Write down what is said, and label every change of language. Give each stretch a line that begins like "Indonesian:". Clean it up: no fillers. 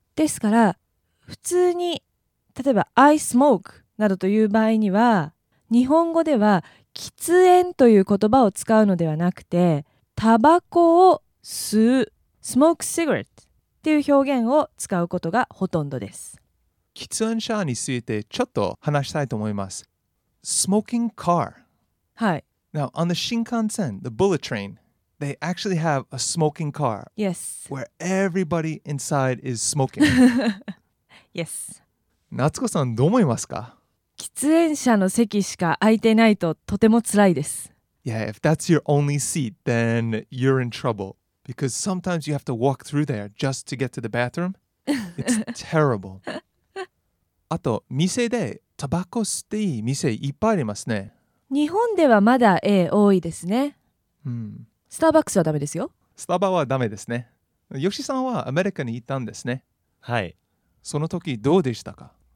Japanese: ですから、普通に例えば
English: I smoke
Japanese: などという場合には、日本語では喫煙という言葉を使うのではなくて、タバコを吸う
English: smoke cigarette
Japanese: っていう表現を使うことがほとんどです。喫煙者についてちょっと話したいと思います。
English: Smoking car.
Japanese: はい。
English: Now, on the Shinkansen, the bullet train, they actually have a smoking car. Yes. Where everybody inside is smoking. yes.
Japanese: 夏子さん、どう思いますか？喫煙者の席しか空いてないととても辛いです。
English: Yeah, if that's your only seat, then you're in trouble. Because sometimes you have to walk through there just to get to the bathroom. It's terrible.
Japanese: あと、店でタバコ吸っていい店いっぱいありますね。日本ではまだ A 多いですね。スターバックスはダメですよ。スタバはダメですね。ヨシさんはアメリカに行ったんですね。はい。その時どうでしたか？